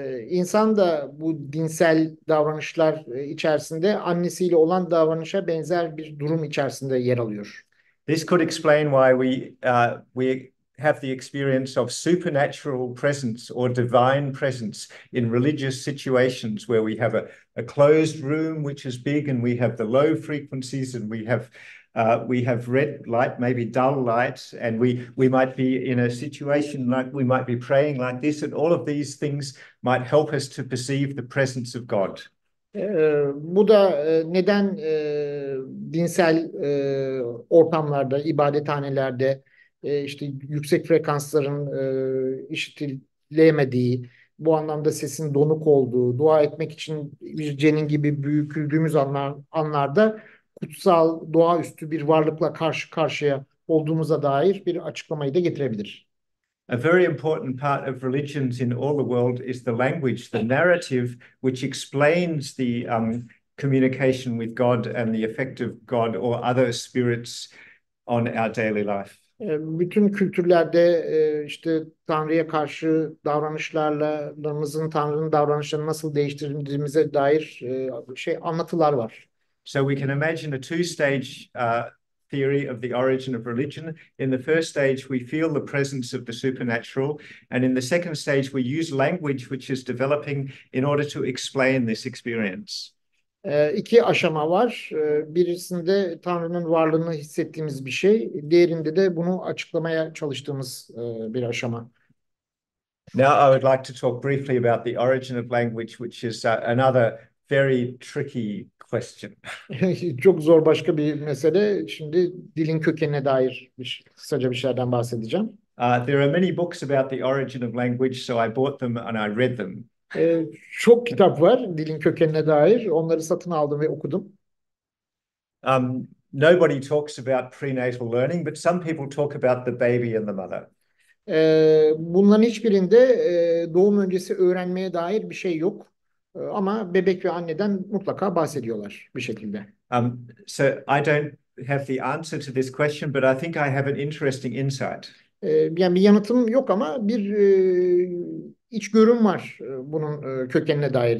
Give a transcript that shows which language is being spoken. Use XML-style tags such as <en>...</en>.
<tr>İnsan da bu dinsel davranışlar içerisinde annesiyle olan davranışa benzer bir durum içerisinde yer alıyor.</tr> <en>This could explain why we have the experience of supernatural presence or divine presence in religious situations where we have a closed room which is big and we have the low frequencies and we have red light, maybe dull light, and we might be in a situation like we might be praying like this, and all of these things might help us to perceive the presence of God.</en> <tr>Bu da neden dinsel ortamlarda, ibadethanelerde işte yüksek frekansların işitilemediği, bu anlamda sesin donuk olduğu, dua etmek için bir cenin gibi büyüküldüğümüz anlarda kutsal, doğaüstü bir varlıkla karşı karşıya olduğumuza dair bir açıklamayı da getirebilir.</tr> <en>A very important part of religions in all the world is the language, the narrative, which explains the communication with God and the effect of God or other spirits on our daily life.</en> <tr>Bütün kültürlerde işte Tanrı'ya karşı davranışlarımızın Tanrı'nın davranışlarını nasıl değiştirdiğimize dair anlatılar var.</tr> <en>So we can imagine a two-stage theory of the origin of religion. In the first stage, we feel the presence of the supernatural, and in the second stage, we use language which is developing in order to explain this experience.</en> <tr>İki aşama var. Birisinde Tanrı'nın varlığını hissettiğimiz bir şey, diğerinde de bunu açıklamaya çalıştığımız bir aşama.</tr> <en>Now I would like to talk briefly about the origin of language, which is another very tricky question.</en> <tr>Çok zor başka bir mesele. Şimdi dilin kökenine dair kısaca bir şeylerden bahsedeceğim.</tr> <en>There are many books about the origin of language, so I bought them and I read them.</en> <tr>Çok kitap var dilin kökenine dair. Onları satın aldım ve okudum.</tr> <en>Nobody talks about prenatal learning, but some people talk about the baby and the mother.</en> <tr>Bunların hiçbirinde doğum öncesi öğrenmeye dair bir şey yok. Ama bebek ve anneden mutlaka bahsediyorlar bir şekilde.</tr> <en>So I don't have the answer to this question, but I think I have an interesting insight.</en> <tr>Yani bir yanıtım yok ama bir İç görün var bunun kökenine dair.</tr>